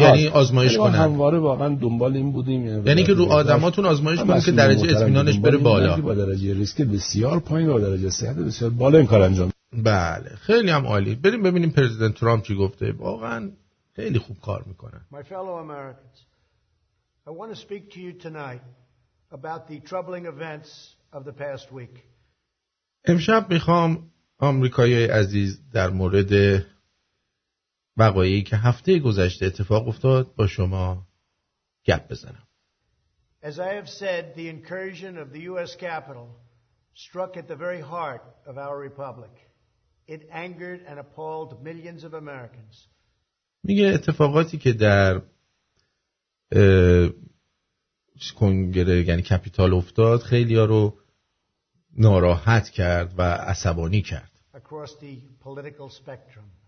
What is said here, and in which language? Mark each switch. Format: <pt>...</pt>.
<fa>یعنی آزمایش کنن. همواره واقعا دنبال این بودیم، یعنی که رو آدماتون آزمایش کنن که درجه اطمینانش بره بالا، با درجه ریسک بسیار پایین و درجه صحت بسیار بالا این کار انجام. بله خیلی هم عالی. بریم ببینیم پرزیدنت ترامپ چی گفته. واقعا خیلی خوب کار میکنه.</fa> <en>My fellow Americans, I want to speak to you tonight about the troubling events of the past week.</en> <fa>امشب میخوام آمریکایی عزیز در مورد وقایعی که هفته گذشته اتفاق افتاد با شما گپ بزنم.</fa> <en>As I have said, the incursion of the US Capitol struck at the very heart of our republic. It angered and appalled millions of Americans.</en> <fa>میگه اتفاقاتی که در کنگره یعنی کپیتال افتاد خیلی ها رو ناراحت کرد و عصبانی کرد.</fa> <en>Across the political spectrum.</en>